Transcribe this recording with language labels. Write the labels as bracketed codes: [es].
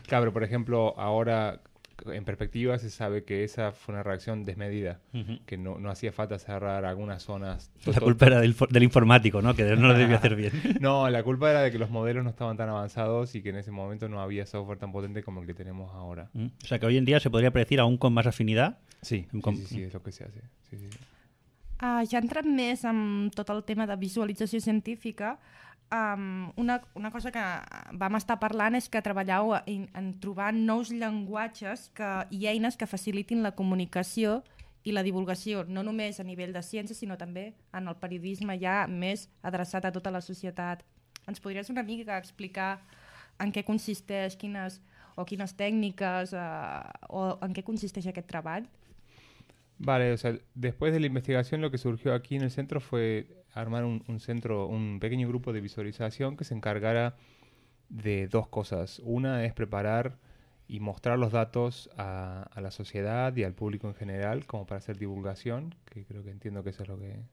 [es] Claro, pero por ejemplo, ahora en perspectiva se sabe que esa fue una reacción desmedida, uh-huh. que no hacía falta cerrar algunas zonas. La culpa era del informático, ¿no? Que no lo debía hacer bien. No, la culpa era de que los modelos no estaban tan avanzados y que en ese momento no había software tan potente como el que tenemos ahora. Uh-huh. O sea, que hoy en día se podría predecir aún con más afinidad. Sí, es lo que se hace. Sí, sí. [ca] Ja entrant més en tot el tema de visualització científica, una cosa que vam estar parlant és que treballeu en trobar nous llenguatges i eines que facilitin la comunicació i la divulgació, no només a nivell de ciència, sinó també en el periodisme ja més adreçat a tota la societat. Ens podries una mica explicar en què consisteix, quines tècniques o en què consisteix aquest treball? [es] Vale, o sea, después de la investigación lo que surgió aquí en el centro fue armar un pequeño grupo de visualización que se encargara de dos cosas. Una es preparar y mostrar los datos a la sociedad y al público en general como para hacer divulgación, que creo que entiendo que eso es lo que...